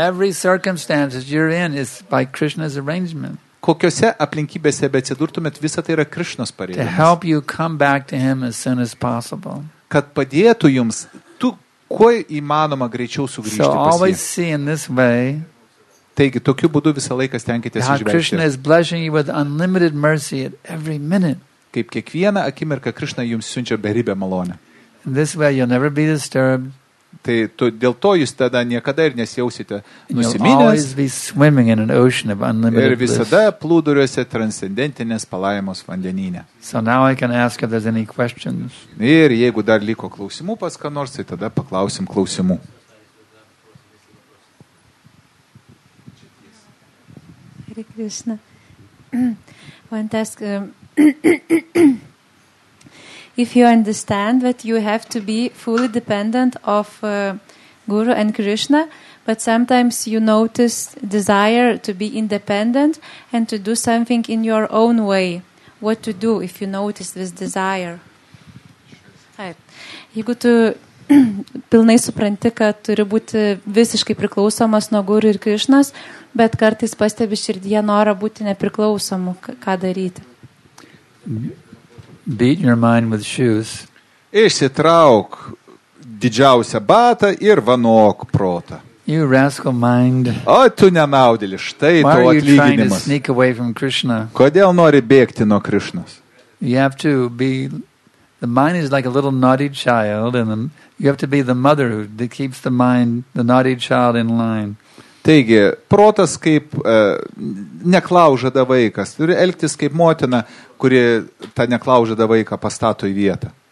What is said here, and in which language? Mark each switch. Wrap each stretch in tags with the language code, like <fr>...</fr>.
<en>Every circumstance you're in is by Krishna's arrangement.</en> <lt>Kokiose aplinkybėse beatsidurtumėt, visa tai yra Krishnos pareigybės.</lt> <en>To help you come back to him as soon as possible.</en> <lt>Kad padėtų jums kuo įmanoma greičiau sugrįžti</lt> <en>so</en> <lt>pas jį.</lt> <en>See in this way,</en> <lt>taigi, tokiu būdu visą laiką stengiatės</lt> <en>God</en> <lt>išvengti.</lt> <en>Krishna is blessing you with unlimited mercy at every minute.</en> <lt>Kaip kiekvieną akimirką Krishna jums siunčia beribę malonę.</lt> <en>In this way you'll never be disturbed.</en> <lt>Tai dėl to jūs tada niekada ir nesijausite nusiminęs ir visada plūduriuose transcendentinės palaimos vandenyne.</lt> <en>So now I can ask if there's any questions.</en> <lt>Ir jeigu dar liko klausimų pas ką nors, tai tada paklausim klausimų.</lt> <sa>Hare Krishna.</sa> <en>Want to ask if you understand that you have to be fully dependent of Guru and Krishna, but sometimes you notice desire to be independent and to do something in your own way. What to do if you notice this desire?</en> <lt>Jeigu tu pilnai supranti, kad turi būti visiškai priklausomas nuo Guru ir Krishnas, bet kartais pastebi širdyje norą būti nepriklausomu, ką daryti?</lt> <en>Beat your mind with shoes.</en> <lt>Išsitrauk didžiausią batą ir vanok protą.</lt> <en>You rascal mind.</en> <lt>O tu nenaudėli, štai tavo atlyginimas.</lt> <en>Why are you trying to sneak away from Krishna?</en> <lt>Kodėl nori bėgti nuo Krishnas?</lt> <en>You have to be the mind is like a little naughty child and you have to be the mother who keeps the mind the naughty child in line.</en> <lt>Taigi, protas kaip neklaužada vaikas, turi elgtis kaip motina, kuri tą neklaužada vaiką pastato į vietą.</lt>